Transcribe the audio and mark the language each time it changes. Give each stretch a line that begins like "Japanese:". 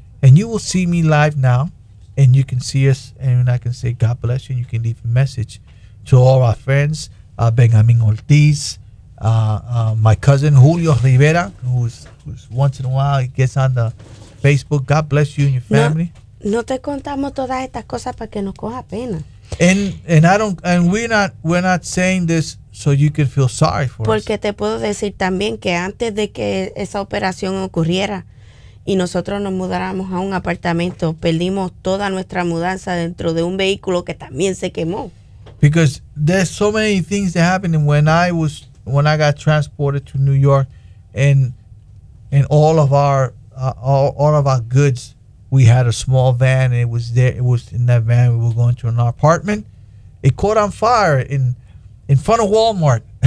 English: And you will see me live now, and you can see us, and I can say God bless you, and you can leave a message to all our friends, Benjamin Ortiz, my cousin Julio Rivera, who's once in a while, he gets on the Facebook. God bless you and your family.
Spanish: No te contamos todas estas cosas para que nos coja pena.
English: And we're not saying this so you can feel sorry for
Spanish: porque
English: us.
Spanish: Porque te puedo decir también que antes de que esa operación ocurriera, y nosotros nos mudáramos a un apartamento, perdimos toda nuestra mudanza dentro de un vehículo que también se quemó.
English: Because there's so many things that happened, and when I got transported to New York, and all of our goods, we had a small van, and it was there. It was in that van. We were going to an apartment. It caught on fire in front of Walmart.